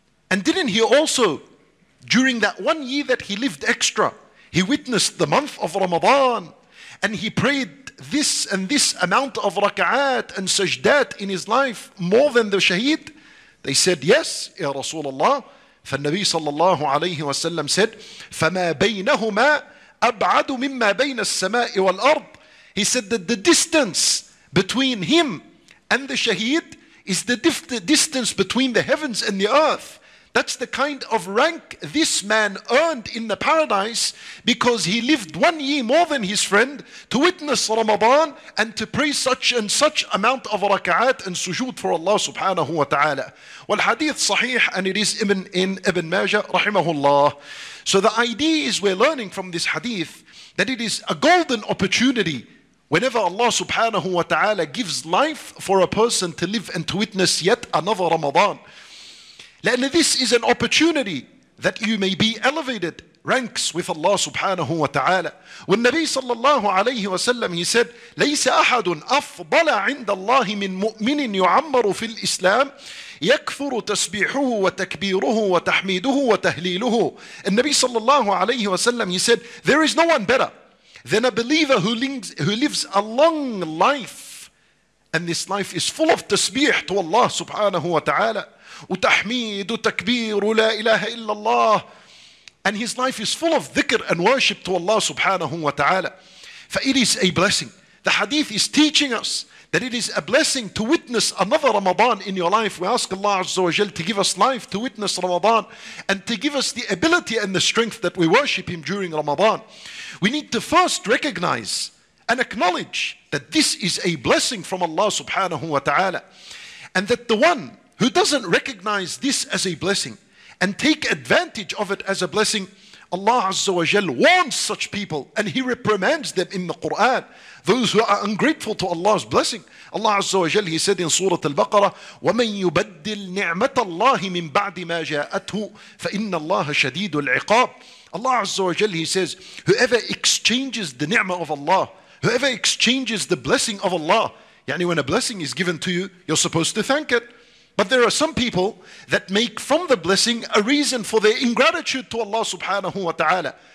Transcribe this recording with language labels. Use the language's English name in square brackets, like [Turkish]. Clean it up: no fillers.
[English] And didn't he also, during that 1 year that he lived extra, he witnessed the month of Ramadan And he prayed this and this amount of raka'at and sajdat in his life more than the shaheed. They said, yes, ya Rasulullah. [Arabic] فالنبي صلى الله عليه وسلم [English] said, [Arabic] فما بينهما أبعد مما بين السماء والأرض. [English] He said that the distance between him and the shaheed is the distance between the heavens and the earth. That's the kind of rank this man earned in the paradise because he lived 1 year more than his friend to witness Ramadan and to pray such and such amount of raka'at and sujood for Allah subhanahu wa ta'ala. Well, hadith sahih, and it is Ibn Majah rahimahullah. So the idea is, we're learning from this hadith that it is a golden opportunity whenever Allah subhanahu wa ta'ala gives life for a person to live and to witness yet another Ramadan. This is an opportunity that you may be elevated ranks with Allah subhanahu wa ta'ala. When Nabi sallallahu alayhi wa sallam, he said, [Arabic] لَيْسَ أَحَدٌ أَفْضَلَ عِنْدَ اللَّهِ مِنْ مُؤْمِنٍ يُعَمَّرُ فِي الْإِسْلَامِ يَكْفُرُ تَسْبِيحُهُ وَتَكْبِيرُهُ وَتَحْمِيدُهُ وَتَهْلِيلُهُ. [English] And Nabi sallallahu alayhi wa sallam, he said, there is no one better than a believer who lives a long life, and this life is full of tasbih to Allah subhanahu wa ta'ala. [Arabic] وتحميد وتكبير ولا إله إلا الله. [English] And his life is full of dhikr and worship to Allah subhanahu wa ta'ala. It is a blessing. The hadith is teaching us that it is a blessing to witness another Ramadan in your life. We ask Allah Azza wa Jal to give us life to witness Ramadan and to give us the ability and the strength that we worship him during Ramadan. We need to first recognize and acknowledge that this is a blessing from Allah subhanahu wa ta'ala, and that the one who doesn't recognize this as a blessing and take advantage of it as a blessing, Allah Azza wa Jal warns such people and he reprimands them in the Quran, those who are ungrateful to Allah's blessing. Allah Azza wa Jal, he said in Surah Al-Baqarah, [Arabic] وَمَن يُبَدِّلْ نِعْمَةَ اللَّهِ مِنْ بَعْدِ مَا جَاءَتْهُ فَإِنَّ اللَّهَ شَدِيدُ الْعِقَابِ. [English] Allah Azza wa Jal, he says, whoever exchanges the ni'mah of Allah, whoever exchanges the blessing of Allah, yani when a blessing is given to you, you're supposed to thank it. But there are some people that make from the blessing a reason for their ingratitude to Allah subhanahu wa ta'ala.